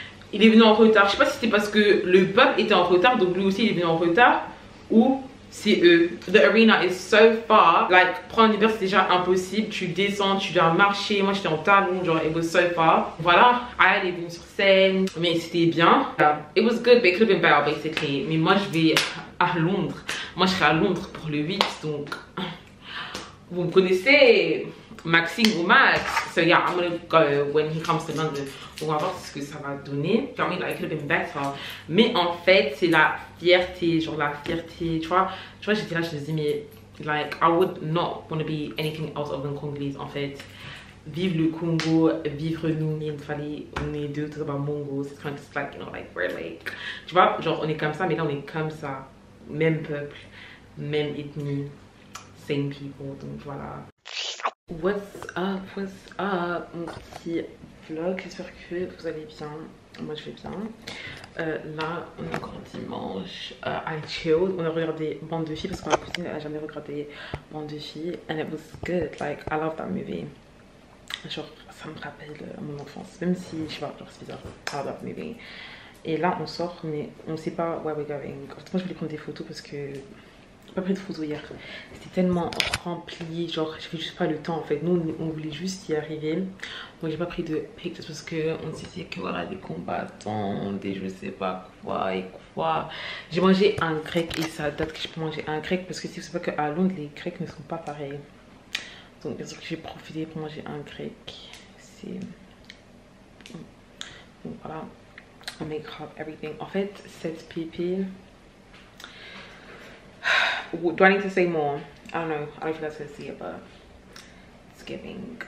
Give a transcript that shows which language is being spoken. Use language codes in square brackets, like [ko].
[fr] Il est venu en retard. Je sais pas si c'était parce que le peuple était en retard, donc lui aussi il est venu en retard, ou c'est eux. [en] The arena is so far. Like, [fr] prendre l'Uber c'est déjà impossible. Tu descends, tu dois marcher. Moi j'étais en talon, genre [en] it was so far. [fr] Voilà. Aya est venu sur scène, mais c'était bien. [en] Yeah. It was good, but it could have been better basically. [fr] Mais moi je vais à Londres. Moi je serai à Londres pour le 8, donc. Vous me connaissez. [en] Maxime ou Max, so yeah, I'm gonna go when he comes to London. [fr] On va voir ce que ça va donner. [en] I mean, like, it could have been better. [fr] Mais en fait, c'est la fierté, genre la fierté, tu vois, j'étais là, je me disais, mais, like, [en] I would not want to be anything else other than Congolese, [fr] en fait. Vive le Congo, vivre nous, il fallait, on est deux, tout ça, Mongo, c'est [en] kind of like, you know, like, we're like, [fr] tu vois, genre, on est comme ça, mais là, on est comme ça. Même peuple, même ethnie, [en] same people, [fr] donc voilà. [en] What's up, [fr] mon petit vlog, j'espère que vous allez bien, moi je vais bien. Là, on est encore dimanche, [en] I chilled, [fr] on a regardé Bande de filles parce que ma cousine n'a jamais regardé Bande de filles. [en] And it was good, like, I love that movie. [fr] Genre, ça me rappelle mon enfance, même si, je sais pas, genre c'est bizarre, [en] I love that movie. [fr] Et là, on sort, mais on sait pas [en] where we're going. [fr] En fait, moi je voulais prendre des photos parce que... pas pris de photos hier, c'était tellement rempli, genre j'avais juste pas le temps en fait. Nous on voulait juste y arriver, donc j'ai pas pris de pics parce que on disait que voilà, des combattants, des je sais pas quoi et quoi. J'ai mangé un grec et ça date que je peux manger un grec parce que si vous savez que à Londres les grecs ne sont pas pareils, donc bien sûr que j'ai profité pour manger un grec. C'est bon, voilà, on [en] make up everything [fr] en fait. Cette pépine. [en] do I need to say more? I don't know. I don't know if you guys can see it, but it's giving.